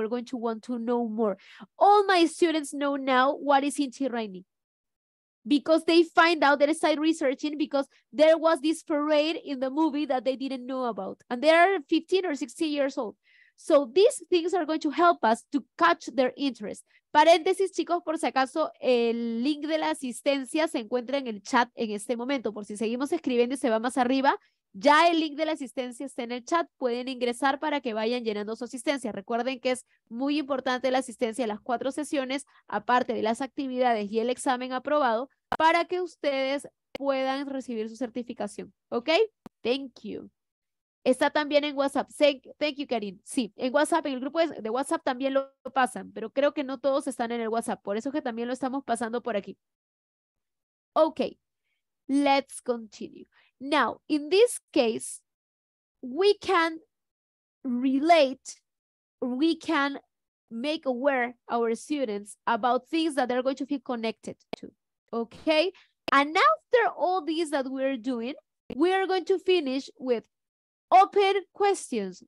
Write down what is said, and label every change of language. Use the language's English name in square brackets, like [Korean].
[English] We're going to want to know more. All my students know now what is Inti Raymi because they find out, they start researching because there was this parade in the movie that they didn't know about. And they are 15 or 16 years old. So these things are going to help us to catch their interest. [Spanish] Paréntesis, chicos, por si acaso, el link de la asistencia se encuentra en el chat en este momento. Por si seguimos escribiendo y se va más arriba, ya el link de la asistencia está en el chat. Pueden ingresar para que vayan llenando su asistencia. Recuerden que es muy importante la asistencia a las 4 sesiones, aparte de las actividades y el examen aprobado, para que ustedes puedan recibir su certificación. ¿Ok? [English] Thank you. [Spanish] Está también en WhatsApp. Thank you, Karin. Sí, en WhatsApp, en el grupo de WhatsApp también lo pasan, pero creo que no todos están en el WhatsApp. Por eso que también lo estamos pasando por aquí. [English] Okay, let's continue. Now, in this case, we can relate, we can make aware our students about things that they're going to feel connected to, okay? And after all these that we're doing, we are going to finish with open questions.